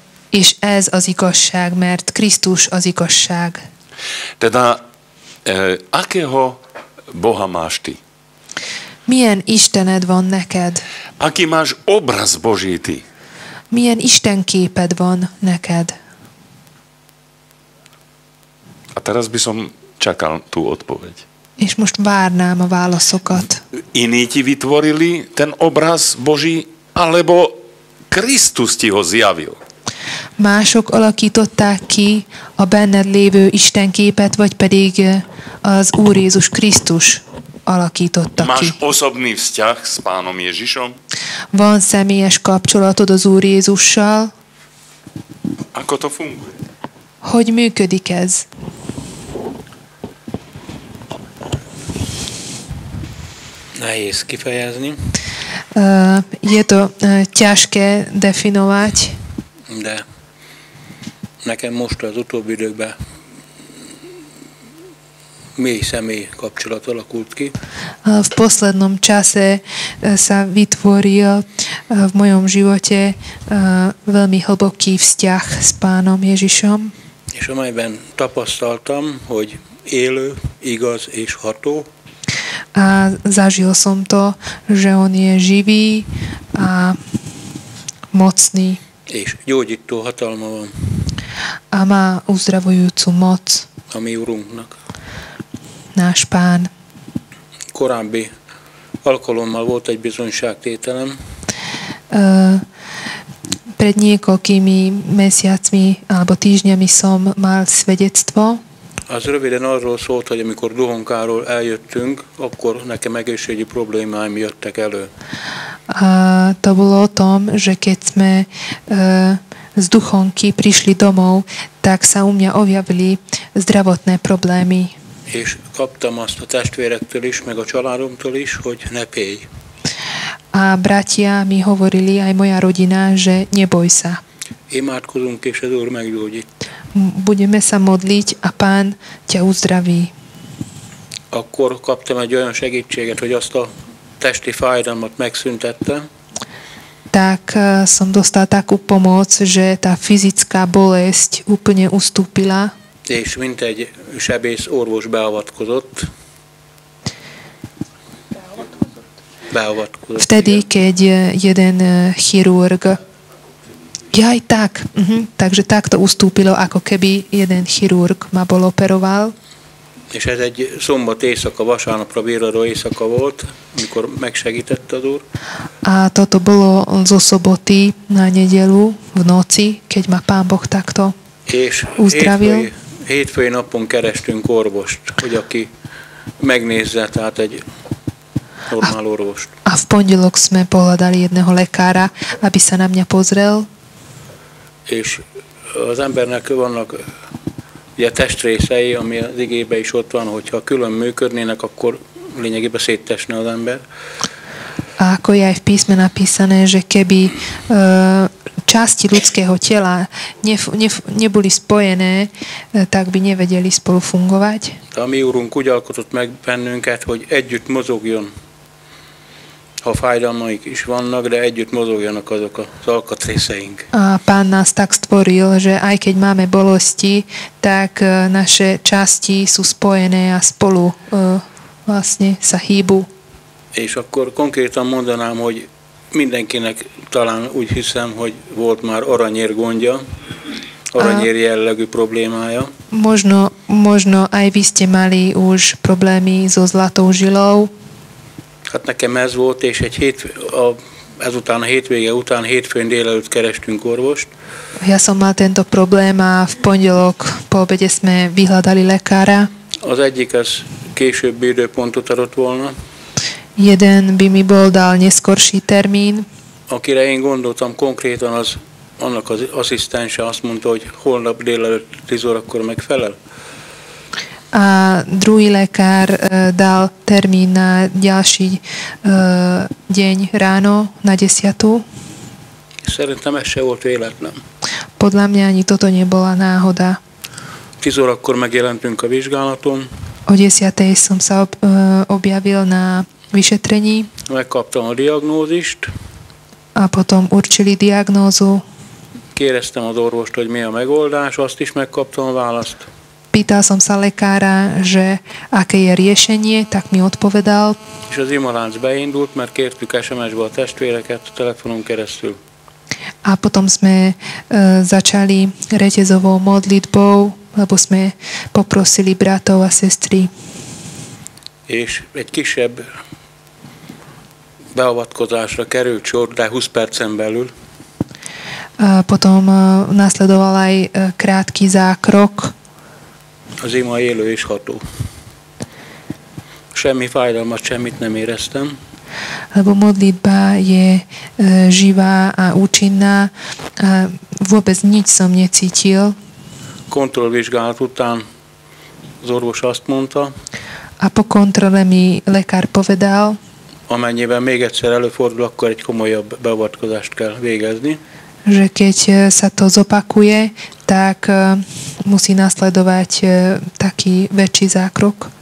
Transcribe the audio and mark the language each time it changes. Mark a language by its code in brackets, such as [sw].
[hu] És ez az igazság, mert Krisztus az igazság. [sk] Teda, akého Boha máš ty? [hu] Milyen Istened van neked? [sk] Aký máš obraz Boží ty? [hu] Milyen Isten képed van neked? [sk] A teraz by som čakal tú odpoveď. [hu] És most várnám a válaszokat. [sk] Iní ti vytvorili ten obraz Boží, alebo Krisztus ti ho zjavil? [hu] Mások alakították ki a benned lévő Isten képet, vagy pedig az Úr Jézus Krisztus alakította [sk] máš [hu] ki. [sk] Máš osobný vzťah s Pánom Ježišom? [hu] Van személyes kapcsolatod az Úr Jézussal? [sk] Ako to funguje? [hu] Hogy működik ez? Nehéz kifejezni. [sk] Je to ťažké definovať. [hu] De nekem most az utóbbi időkben mély személy kapcsolat alakult ki. [sk] V poslednom čase sa vytvoril v mojom živote veľmi hlboký vzťah s Pánom Ježišom. [hu] És amelyben tapasztaltam, hogy élő, igaz és ható. [sk] A zažil som to, že on je živý a mocný. [hu] És gyógyító hatalma van. [sk] A má uzdravujúcu moc. [hu] A mi úrunknak. [sk] Náš Pán. [hu] Korábbi alkalommal volt egy bizonyságtételem. [sk] Pred niekoľkými mesiacmi alebo týždňami som mal svedectvo. [hu] Az röviden arról szólt, hogy amikor Duhonkáról eljöttünk, akkor nekem egészségi problémáim jöttek elő. [sk] To bolo o tom, že keď sme z Duhonky prišli domov, tak sa u mňa objavili zdravotné problémy. [hu] És kaptam azt a testvérektől is, meg a családomtól is, hogy ne pélj. [sk] A bratia mi hovorili, aj moja rodina, že neboj sa. [hu] Imádkozunk, és az Úr meggyógyít. [sk] Budeme sa modliť, a Pán ťa uzdraví. [hu] Akkor kaptam egy olyan segítséget, hogy azt a testi fájdalmat megszüntette. [sk] Tak som dostal takú pomoc, že tá fyzická bolesť úplne ustúpila. [hu] És mint egy sebész orvos beavatkozott. Beavatkozott. [sk] Vtedy, keď jeden chirurg. Jaj, tak. Takže takto ustúpilo, ako keby jeden chirurg ma bol operoval. [hu] És ez egy szombat éjszaka, vasárnapra bíráló éjszaka volt, amikor megsegített az Úr. [sk] A toto bolo zo soboty na nedelu v noci, keď ma Pán Boh takto [hu] és [sk] uzdravil. [hu] Hétfői napon kerestünk orvost, hogy aki megnézze, tehát egy normál orvost. [sk] A v pondelok sme pohľadali jedného lekára, aby sa na mňa pozrel. [hu] És az embernek vannak ugye testrészei, ami az igében is ott van, hogyha külön működnének, akkor lényegében széttesne az ember. [sk] A ako je aj v písme napísané, že keby časti ľudského tela neboli spojené, tak by nevedeli spolu fungovať. [hu] A mi úrunk úgy alkotott meg bennünket, hogy együtt mozogjon. ha fájdalmaik is vannak, de együtt mozogjanak azok az alkatrészeink. [sk] A Pán nás tak stvoril, že aj keď máme bolesti, tak naše časti sú spojené a spolu vlastne sa hýbu. [hu] És akkor konkrétan mondanám, hogy mindenkinek talán úgy hiszem, hogy volt már aranyér gondja, aranyér jellegű problémája. [sk] Možno aj vy ste mali už problémy so zlatou žilou. [hu] Hát nekem ez volt, és ezután a hétvége után hétfőn délelőtt kerestünk orvost. [sk] Ja som mal tento problém a v pondelok po obede sme vyhľadali lekára. [hu] Az egyik az később időpontot adott volna. [sk] Jeden by mi bol dal neskorší termín. [hu] Akire én gondoltam konkrétan, az annak az asszisztense azt mondta, hogy holnap délelőtt 10 órakor megfelel. [sk] A druhý lekár dal termín na ďalší deň ráno, na 10. [hu] Szerintem ez se volt véletlen. [sk] Podľa mňa ani toto nebola náhoda. [hu] 10 órakor megjelentünk a vizsgálaton. [sk] O 10. som sa objavil na vyšetrení. [hu] Megkaptam a diagnózist. [sk] A potom určili diagnózu. [hu] Kérdeztem az orvost, hogy mi a megoldás, azt is megkaptam a választ. [sk] Pýtal som sa lekára, že aké je riešenie, tak mi odpovedal. [hu] És az imoláns beindult, mert kértük SMS-be a testvéreket a telefonon keresztül. [sk] A potom sme začali retezovou modlitbou, lebo sme poprosili bratov a sestry. [hu] És egy kisebb beavatkozásra került sor, de 20 percen belül. [sk] A potom nasledoval aj krátky zákrok. [hu] Az ima élő és ható. Semmi fájdalmat, semmit nem éreztem. [sk] Lebo modlitba je živá a účinná. Vôbec nič som necítil. [hu] Kontrollvizsgálat után az orvos azt mondta. [sk] A po kontrole mi lekár povedal. [hu] Amennyiben még egyszer előfordul, akkor egy komolyabb beavatkozást kell végezni. [sk] Že keď sa to zopakuje, tak musí nasledovať taký väčší zákrok.